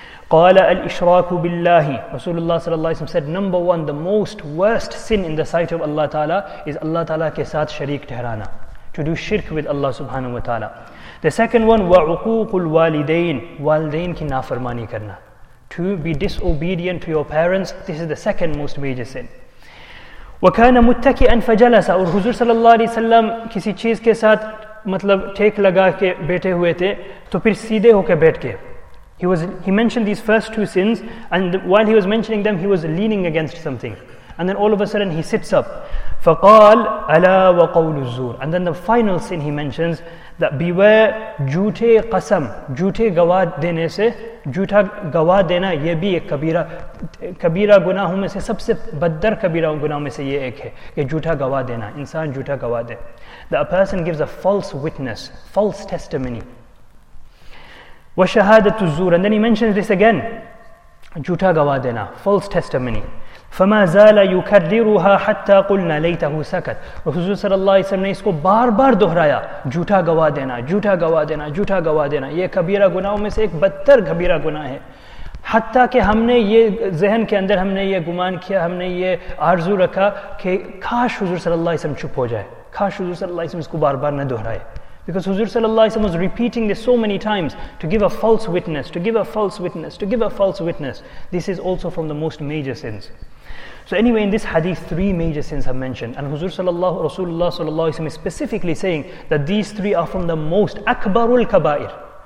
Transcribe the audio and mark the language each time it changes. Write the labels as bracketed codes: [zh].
[ar] قال الإشراك بالله. [en] Rasulullah sallallahu alaihi wasallam said, number one, the most worst sin in the sight of Allah Taala is [ur] Allah Taala ke saath sharik tehrana, [en] to do shirk with Allah subhanahu wa taala. The second one, [ar] وعقوق الوالدين, [ur] والدين ki nafarmani karna, [en] to be disobedient to your parents, this is the second most major sin. [ar] وكان متكئا فجلس. [ur] اور حضور صلی اللہ علیہ وسلم کسی چیز کے ساتھ مطلب ٹیک لگا کے بیٹھے ہوئے تھے تو پھر سیدھے ہو کے بیٹھ کے. [en] He mentioned these first two sins, and while he was mentioning them, he was leaning against something, and then all of a sudden he sits up. [ar] فقال الا وقول الزور. [en] And then the final sin he mentions, that beware [ur] جھوٹے قسم, جھوٹے گواہ دینے سے. جھوٹا گواہ دینا یہ بھی ایک کبیرہ گناہوں میں سے, سب سے بدتر کبیرہ گناہوں میں سے یہ ایک ہے کہ جھوٹا گواہ دینا, انسان جھوٹا گواہ دے. [en] That a person gives a false witness, false testimony. [ar] وَشَهَادَةُ الزُّورِ. [en] And then he mentions this again, [ur] جھوٹا گواہ دینا, [en] false testimony. [ar] فَمَا زَالَ يُكَرِّرُهَا حَتَّى قُلْنَا لَيْتَهُ سَكَتْ. [ur] حضور صلی اللہ علیہ وسلم نے اس کو بار بار دہرایا, جھوٹا گواہ دینا, جھوٹا گواہ دینا, جھوٹا گواہ دینا, یہ کبیرہ گناہوں میں سے ایک بدتر کبیرہ گناہ ہے. حتیٰ کہ ہم نے یہ ذہن کے اندر ہم نے یہ گمان کیا, ہم نے یہ آرزو رکھا کہ کاش حضور صلی اللہ علیہ وسلم چپ ہو جائے, کاش حضور صلی اللہ علیہ وسلم اس کو بار بار نہ دہرائے. [en] Because Huzur sallallahu alaihi wasallam was repeating this so many times, to give a false witness, to give a false witness, to give a false witness. This is also from the most major sins. So anyway, in this hadith, three major sins are mentioned. And Huzur sallallahu, Rasulullah sallallahu alaihi wasallam is specifically saying that these three are from the most, akbarul kabair.